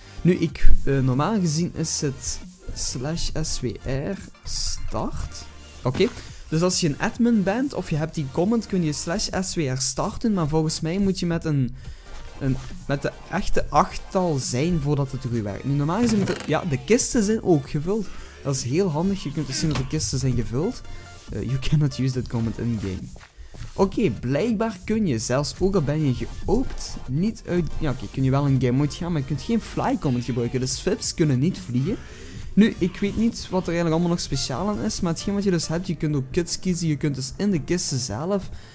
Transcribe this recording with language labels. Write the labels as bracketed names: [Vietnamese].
[Dutch] Nu, normaal gezien is het /swr start. Oké. Dus als je een admin bent of je hebt die comment, kun je /swr starten. Maar volgens mij moet je met met de echte achttal zijn voordat het goed werkt. Nu, normaal gezien moet ja, de kisten zijn ook gevuld. Dat is heel handig. Je kunt dus zien dat de kisten zijn gevuld. [English] You cannot use that comment in game. [Dutch] Oké, blijkbaar kun je, zelfs ook al ben je geopend, niet uit. Ja, oké, kun je wel in game mode gaan, maar je kunt geen fly comment gebruiken. Dus FIPS kunnen niet vliegen. Nu, ik weet niet wat er eigenlijk allemaal nog speciaal aan is, maar hetgeen wat je dus hebt, je kunt ook kits kiezen, je kunt dus in de kisten zelf.